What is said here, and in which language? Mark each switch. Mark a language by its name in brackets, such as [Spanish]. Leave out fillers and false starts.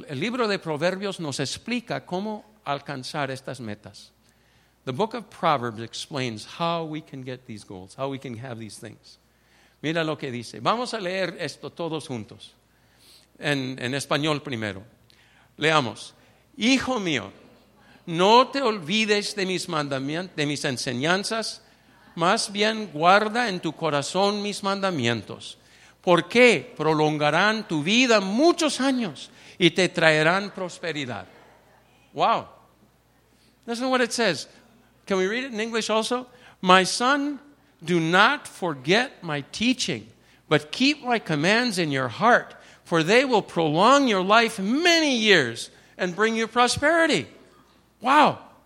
[Spanish] El libro de Proverbios nos explica cómo alcanzar estas metas. [English] The book of Proverbs explains how we can get these goals, how we can have these things. [Spanish] Mira lo que dice. Vamos a leer esto todos juntos. En español primero. Leamos. Hijo mío, no te olvides de mis mandamientos, de mis enseñanzas. Más bien, guarda en tu corazón mis mandamientos, porque prolongarán tu vida muchos años y te traerán prosperidad. [English] Wow. This is what it says. Can we read it in English also? My son, do not forget my teaching, but keep my commands in your heart, for they will prolong your life many years and bring you prosperity. Wow.